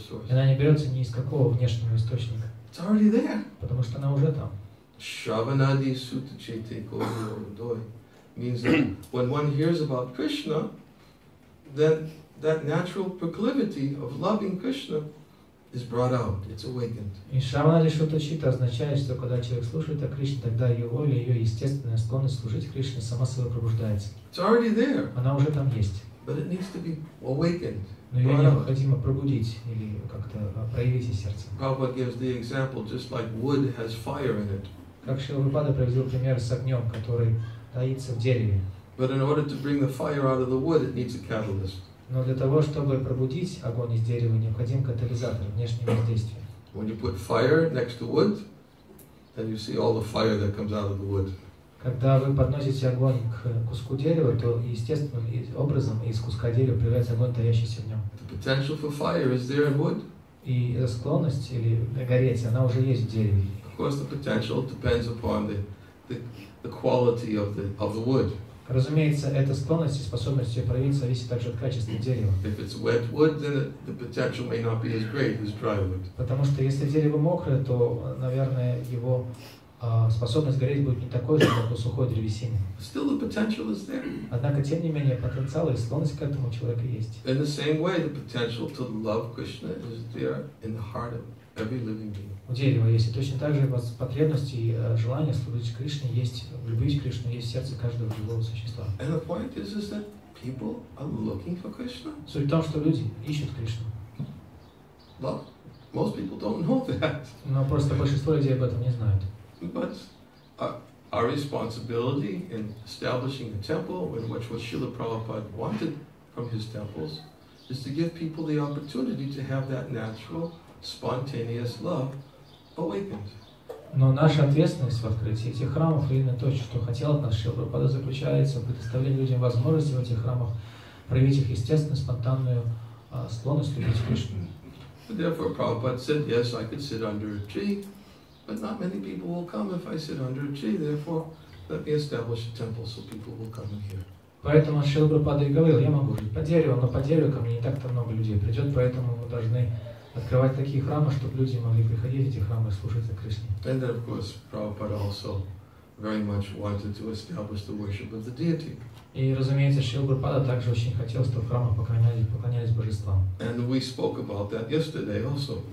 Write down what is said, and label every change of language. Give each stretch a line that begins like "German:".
Russian: Она не берется ни из какого внешнего источника.
English: It's already there.
Russian: Потому что она уже там.
Sanskrit: Shravanadi sutta chaitanya kodiyodoy
English: means that when one hears about Krishna, then that natural proclivity of loving Krishna is brought out. It's awakened.
Russian: И Шраванади Шута Чита означает, что когда человек слушает о Кришне, тогда ее воля, ее естественная склонность служить Кришне сама собой пробуждается.
English: It's already there.
Russian: Она уже там есть.
English: But it needs to be awakened.
Russian: Но ее необходимо пробудить или как-то проявить из сердца.
English: Prabhupada gives the example just like wood has fire in it.
Russian: Как Шрила Прабхупада приводил пример с огнем, который таится в дереве.
English: But in order to bring the fire out of the wood, it needs a catalyst.
Russian: Но для того, чтобы пробудить огонь из дерева, необходим катализатор, внешнее воздействие.
English: When you put fire next to wood, then you see all the fire that comes out of the wood.
Russian: Когда вы подносите огонь к куску дерева, то естественным образом из куска дерева появляется огонь, таящийся в нем.
English: The potential for fire is there in wood.
Russian: И склонность или гореть, она уже есть в дереве.
English: Of course, the potential depends upon the quality of the wood.
Russian: Разумеется, эта склонность и способность ее проявить зависит также от качества дерева.
English: If it's wet wood, then the potential may not be as great as dry wood.
Russian: Потому что если дерево мокрое, то, наверное, его способность гореть будет не такой же, как у сухой древесины.
English: Still the potential is there.
Russian: Однако, тем не менее, потенциал и склонность к этому у человека есть.
English: In the same way, the potential to love Krishna is there in the heart of every living being.
Russian: У дерева есть. И точно так же потребности и желание служить Кришне есть, любить Кришну есть в сердце каждого живого существа.
English: And the point is that people are looking for Krishna.
Russian: Суть в том, что люди ищут Кришну.
English: Well, most people don't know that.
Russian: Но просто большинство людей об этом не знают.
English: But our responsibility in establishing a temple, which was Srila Prabhupada wanted from his temples, is to give people the opportunity to have that natural, spontaneous love awakened.
Russian: Но наша ответственность в открытии этих храмов именно то, что хотел от нас Шрила Прабхупада, заключается в предоставлении людям возможности в этих храмах проявить их естественную, спонтанную склонность любить Кришну.
English: Therefore, Prabhupada said, yes, I could sit under a tree, but not many people will come if I sit under a tree. Therefore, let me establish a temple so people will come and hear.
Russian: Поэтому Шрила Прабхупада и говорил, я могу жить под деревом, но под деревом ко мне не так-то много людей придет, поэтому мы должны открывать такие храмы, чтобы люди могли приходить в эти храмы и служить за Кришне.
English: And then, of course, Prabhupada also very much wanted to establish the worship of the deity.
Russian: И, разумеется, Шрила Прабхупада также очень хотел, чтобы храмы поклонялись божествам.
English: And we spoke about that yesterday also.